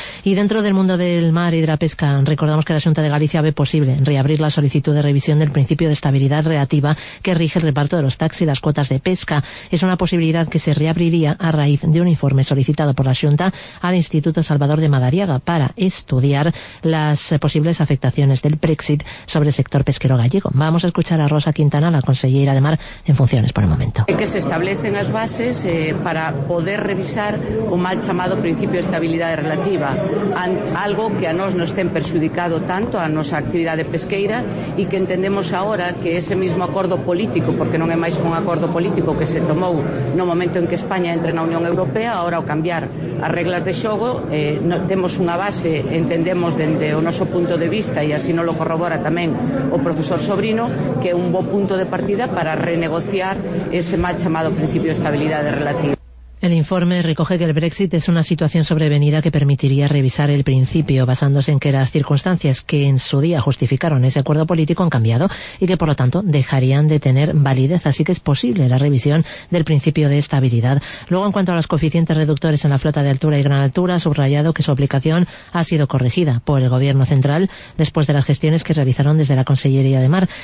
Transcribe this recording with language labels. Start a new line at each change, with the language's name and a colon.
Spanish: Y dentro del mundo del mar y de la pesca, recordamos que la Xunta de Galicia ve posible reabrir la solicitud de revisión del principio de estabilidad relativa que rige el reparto de los tax y las cuotas de pesca. Es una posibilidad que se reabriría a raíz de un informe solicitado por la Xunta al Instituto Salvador de Madariaga para estudiar las posibles afectaciones del Brexit sobre el sector pesquero gallego. Vamos a escuchar a Rosa Quintana, la consellera de Mar en funciones, por el momento.
Galician: Que se establecen las bases para poder revisar o mal chamado principio de estabilidade relativa, algo que a nos ten perxudicado tanto a nosa actividade pesqueira, e que entendemos agora que ese mismo acordo político, porque non é máis que un acordo político que se tomou no momento en que España entre na Unión Europea, agora ao cambiar as reglas de xogo, temos unha base, entendemos dende o noso punto de vista, e así non lo corrobora tamén o profesor Sobrino, que é un bo punto de partida para renegociar ese mal chamado principio de estabilidade relativa.
Spanish: El informe recoge que el Brexit es una situación sobrevenida que permitiría revisar el principio, basándose en que las circunstancias que en su día justificaron ese acuerdo político han cambiado y que, por lo tanto, dejarían de tener validez. Así que es posible la revisión del principio de estabilidad. Luego, en cuanto a los coeficientes reductores en la flota de altura y gran altura, ha subrayado que su aplicación ha sido corregida por el Gobierno central después de las gestiones que realizaron desde la Consellería de Mar.